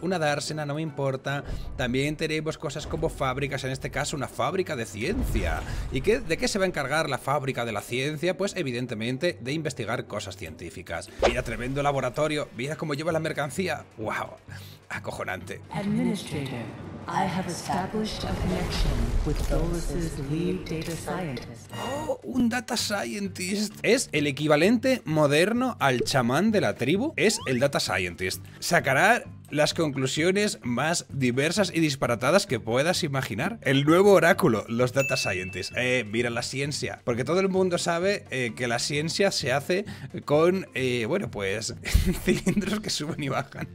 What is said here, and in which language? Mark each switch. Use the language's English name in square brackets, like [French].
[Spanish] Una dársena, no me importa. También tenemos cosas como fábricas, en este caso una fábrica de ciencia. ¿Y qué, de qué se va a encargar la fábrica de la ciencia? Pues evidentemente de investigar cosas científicas. Mira, tremendo laboratorio. Mira cómo lleva la mercancía. ¡Wow! Acojonante. [English] I have established a connection with Solus's lead data scientist. [Spanish] Oh, un data scientist. Es el equivalente moderno al chamán de la tribu. Es el data scientist. Sacará las conclusiones más diversas y disparatadas que puedas imaginar. El nuevo oráculo, los data scientists. Mira la ciencia. Porque todo el mundo sabe que la ciencia se hace con, bueno, pues, cilindros que suben y bajan.